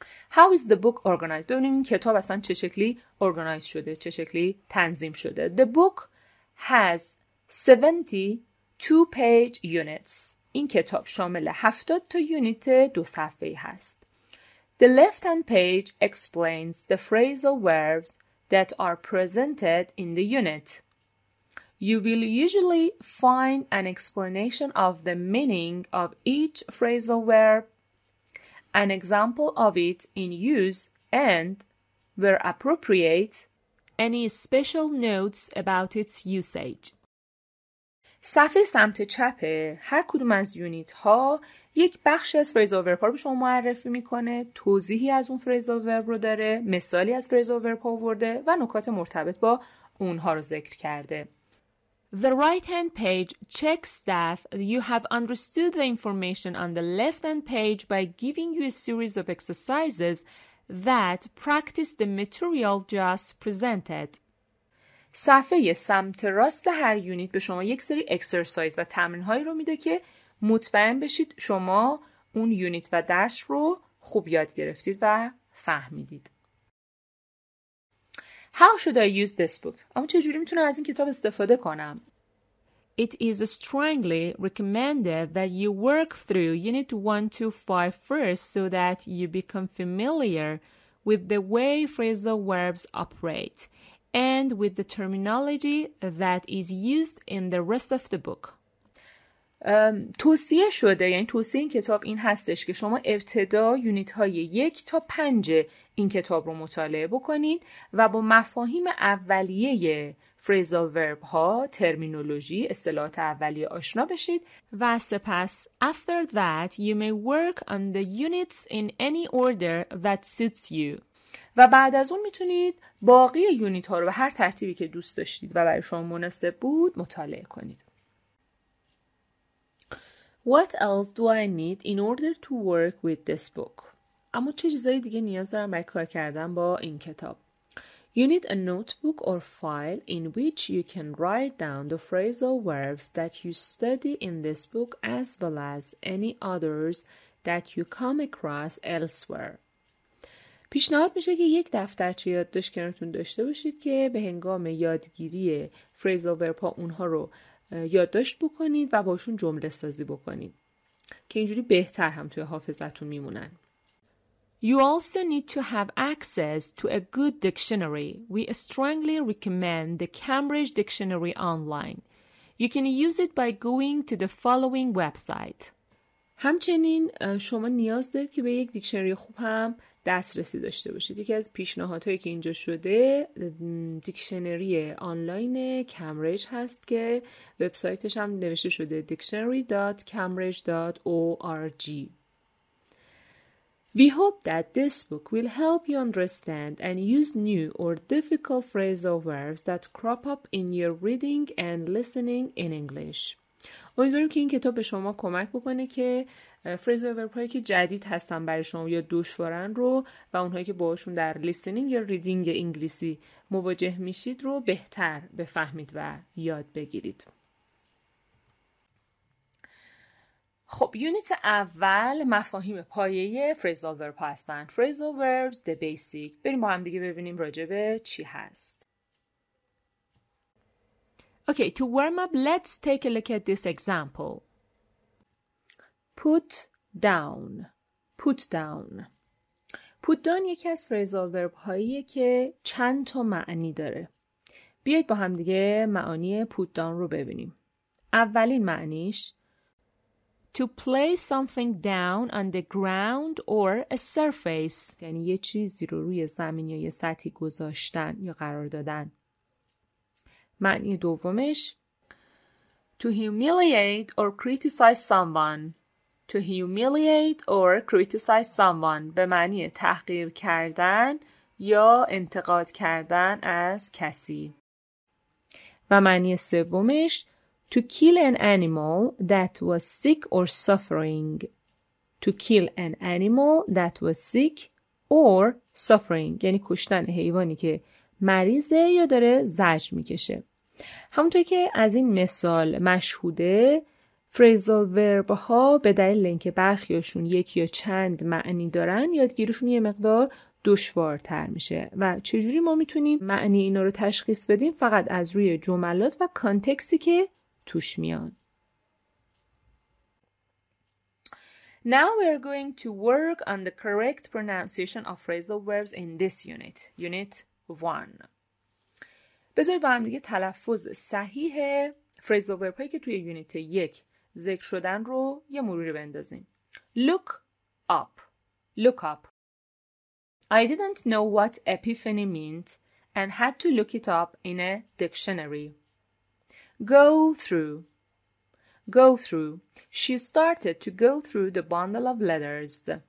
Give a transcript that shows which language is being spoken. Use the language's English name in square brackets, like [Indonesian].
[English] How is the book organized? [Persian] ببینیم این کتاب اصلا چه شکلی organized شده، چه شکلی تنظیم شده. [English] The book has 72 page units. [Persian] این کتاب شامل 70 تا یونیت دو صفحه‌ای هست. [English] The left hand page explains the phrasal verbs that are presented in the unit. You will usually find an explanation of the meaning of each phrasal verb, an example of it in use, and, where appropriate, any special notes about its usage. [Persian] صفحه سمت چپه هر کدوم از یونیت ها یک بخشی از phrasal verb رو به شما معرفی میکنه، توضیحی از اون phrasal verb رو داره، مثالی از phrasal verb آورده و نکات مرتبط با اونها رو ذکر کرده. [English] The right hand page checks that you have understood the information on the left hand page by giving you a series of exercises that practice the material just presented. [Persian] صفحه سمت راست هر یونیت به شما یک سری اکسرسایز و تمرین هایی رو میده که مطمئن بشید شما اون یونیت و درس رو خوب یاد گرفتید و فهمیدید. [English] How should I use this book? [Persian] اما چه جوری میتونم از این کتاب استفاده کنم؟ [English] It is strongly recommended that you work through unit 1 to 5 first so that you become familiar with the way phrasal verbs operate and with the terminology that is used in the rest of the book. [Persian] توصیه شده، یعنی توصیه این کتاب این هستش که شما ابتدا یونیت های 1 تا 5 این کتاب رو مطالعه بکنید و با مفاهیم اولیه phrasal verb ها، ترمینولوژی، اصطلاحات اولیه آشنا بشید و سپس [English] after that you may work on the units in any order that suits you. [Persian] و بعد از اون میتونید باقی یونیت ها رو به هر ترتیبی که دوست داشتید و برای شما مناسب بود مطالعه کنید. [English] What else do I need in order to work with this book? [Persian] اما چه چیزایی دیگه نیاز دارم برای کار کردن با این کتاب؟ [English] You need a notebook or file in which you can write down the phrasal verbs that you study in this book as well as any others that you come across elsewhere. [Persian] پیشنهاد میشه که یک دفترچه یادداشت کنارتون داشته باشید که به هنگام یادگیری phrasal verb ها اونها رو یادداشت بکنید و باشون جمله سازی بکنید که اینجوری بهتر هم توی حافظتون میمونن. [English] You also need to have access to a good dictionary. We strongly recommend the Cambridge Dictionary online. You can use it by going to the following website. [Persian] همچنین شما نیاز دارید که به یک دیکشنری خوب هم دسترسی داشته باشید. یکی از پیشنهادهایی که اینجا شده دیکشنری آنلاین کمبریج هست که وبسایتش هم نوشته شده dictionary.cambridge.org. [English] We hope that this book will help you understand and use new or difficult phrasal verbs that crop up in your reading and listening in English. [Persian] امیدوارم که این کتاب به شما کمک بکنه که phrasal verbs هایی که جدید هستن برای شما یا دشوارن رو و اونهایی که باهاشون در listening یا reading انگلیسی مواجه میشید رو بهتر بفهمید و یاد بگیرید. خب یونیت اول مفاهیم پایه‌ی phrasal verb هستن. [English] Phrasal verbs the basic. [Persian] بریم با هم دیگه ببینیم راجبه چی هست. [English] Okay, to warm up, let's take a look at this example. Put down. Put down. [Persian] Put down یکی از phrasal verb هاییه که چند تا معنی داره. بیایید با هم دیگه معانی put down رو ببینیم. اولین معنیش [English] To place something down on the ground or a surface. [Persian] یعنی یه چیزی رو روی زمین یا یه سطحی گذاشتن یا قرار دادن. معنی دومش [English] To humiliate or criticize someone. To humiliate or criticize someone [Persian] به معنی تحقیر کردن یا انتقاد کردن از کسی. و معنی سومش [English] To kill an animal that was sick or suffering. To kill an animal that was sick or suffering. [Persian] یعنی کشتن حیوانی که مریضه یا داره زجر میکشه. همونطور که از این مثال مشهوده، phrasal verb ها به دلیل اینکه برخیاشون یک یا چند معنی دارن، یادگیریشون یه مقدار دشوارتر میشه. و چجوری ما میتونیم معنی اینا رو تشخیص بدیم؟ فقط از روی جملات و کانتکسی که توش میان. [English] Now we are going to work on the correct pronunciation of phrasal verbs in this unit. Unit 1. [Persian] بذارید با هم دیگه تلفظ صحیح phrasal verb هایی که توی یونیت 1 ذکر شدن رو یه مروری بندازیم. [English] Look up. Look up. I didn't know what epiphany meant and had to look it up in a dictionary. Go through. Go through. She started to go through the bundle of letters.